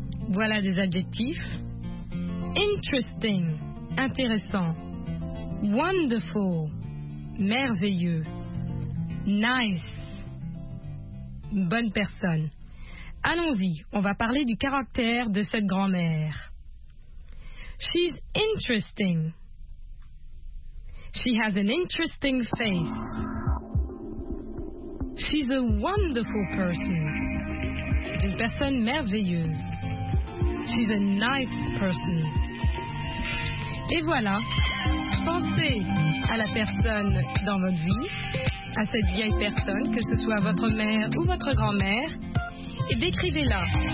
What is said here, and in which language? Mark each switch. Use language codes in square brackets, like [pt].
[fr] Voilà des adjectifs. Interesting, intéressant. Wonderful, merveilleux. Nice, bonne personne. Allons-y, on va parler du caractère de cette grand-mère. [en] She's interesting. She has an interesting face. She's a wonderful person. [fr] C'est une personne merveilleuse. [en] She's a nice person. [fr] Et voilà, pensez à la personne dans votre vie, à cette vieille personne, que ce soit votre mère ou votre grand-mère, et décrivez-la